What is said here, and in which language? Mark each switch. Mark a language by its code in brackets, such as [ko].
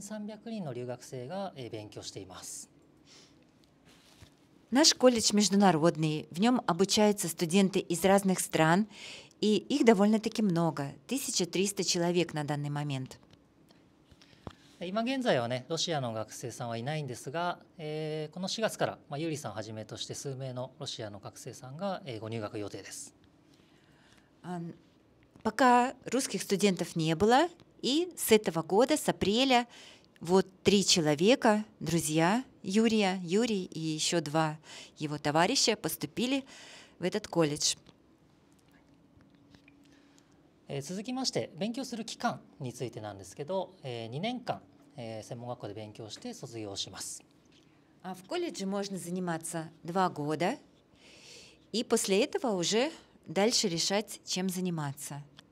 [ja] 次に今私の専門学校で勉強している学生についてなんですが、全部で20カ国地域から約1300人の留学生が勉強しています。 [ru] Наш колледж международный. В нем обучаются студенты из разных стран. И их довольно-таки много, 1300 человек на данный момент. Пока русских студентов не было, и с этого года, с апреля, вот три человека, друзья Юрия, Юрий и еще два его товарища поступили в этот колледж. [ja] 続きまして勉強する期間についてなんですけど、2年間専門学校で勉強して卒業します。 [ru] В колледже можно заниматься 2 года, и после этого уже дальше решать, чем заниматься.